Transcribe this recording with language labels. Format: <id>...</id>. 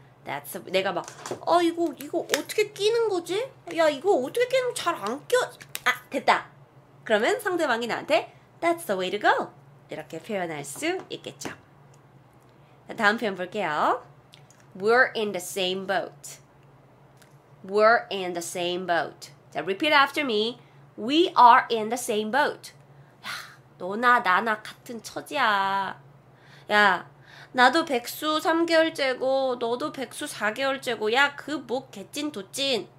<en>That's the,</en> <ko>내가 막 이거 어떻게 끼는 거지? 야 이거 어떻게 끼는 거 잘 안 껴. 아 됐다. 그러면 상대방이 나한테</ko> <en>That's the way to go.</en> <ko>이렇게 표현할 수 있겠죠. 다음 표현 볼게요.</ko> <en>We're in the same boat. We're in the same boat. 자, repeat after me. We are in the same boat.</en> <ko>야, 너나 나나 같은 처지야. 야, 나도 백수 3개월째고 너도 백수 4개월째고 야, 그 뭐 개찐 도찐.</ko>